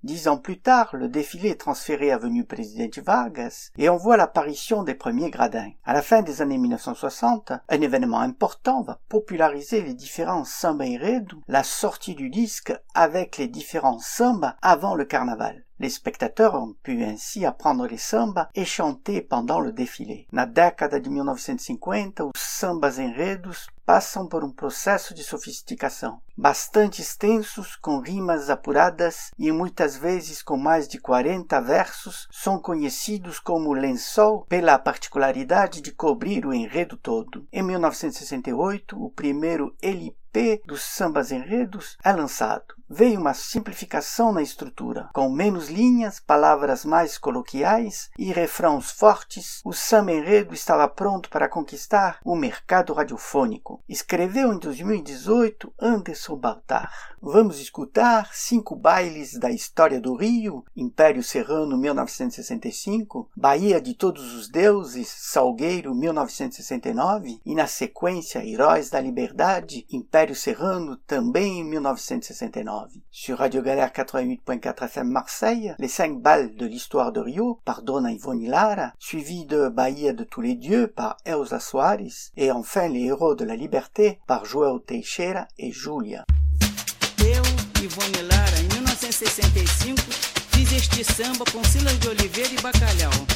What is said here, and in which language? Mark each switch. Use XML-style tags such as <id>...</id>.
<fr>10 ans plus tard, le défilé est transféré à avenue Presidente Vargas et on voit l'apparition des premiers gradins. À la fin des années 1960, un événement important va populariser les différents samba enredo, la sortie du disque avec les différents sambas avant le carnaval. Les spectateurs ont pu ainsi apprendre les sambas et chanter pendant le défilé.</fr> <pt>Na década de 1950, os sambas enredos passam por processo de sofisticação, bastante extensos, com rimas apuradas e muitas vezes com mais de 40 versos, são conhecidos como lençol pela particularidade de cobrir o enredo todo. Em 1968, o primeiro LP dos sambas enredos é lançado. Veio uma simplificação na estrutura. Com menos linhas, palavras mais coloquiais e refrãos fortes, o samba enredo estava pronto para conquistar o mercado radiofônico. Escreveu em 2018 Anderson Baltar. Vamos escutar 5 bailes da história do Rio, Império Serrano 1965, Bahia de Todos os Deuses, Salgueiro 1969 e na sequência Heróis da Liberdade, Império Serrano também em 1969.</pt> <fr>Sur Radio Galère 88.4 FM Marseille, les 5 balles de l'histoire de Rio par Dona Ivone Lara, suivi de Bahia de tous les dieux par Elsa Soares et enfin les héros de la liberté par Joel Teixeira e Júlia.</fr> <pt>Eu, Ivone Lara, em 1965, fiz este samba com Silas de Oliveira e Bacalhau.</pt>